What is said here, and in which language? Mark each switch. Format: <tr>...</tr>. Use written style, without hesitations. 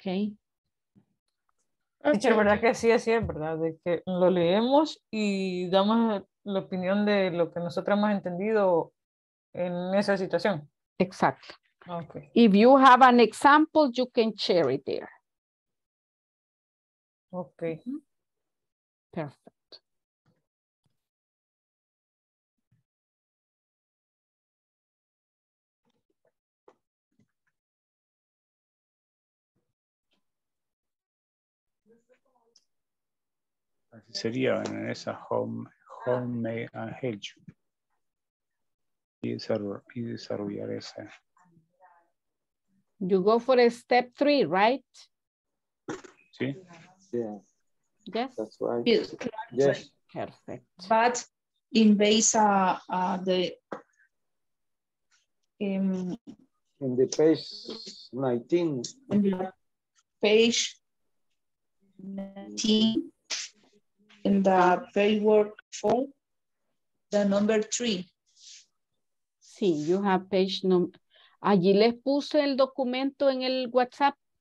<es>Sí, verdad que sí, es verdad, de que lo leemos y damos la opinión de lo que nosotros hemos entendido en esa situación. Exacto.</es> <en>Okay. If you have an example, you can share it there. Ok. Perfect.</en> <es>Así sería en esa home and hedge. Y desarrollar esa.</es> <en>You go for a step three, right?</en> <es>Sí.</es> <en>Yeah. Yes. That's right. Yes. Perfect. But in base the in the page 19. In the page 19 in the paperwork form, the number 3.</en> <es>Sí,</es> <en>you have page number.</en> <es>Allí les puse el documento en el WhatsApp.</es>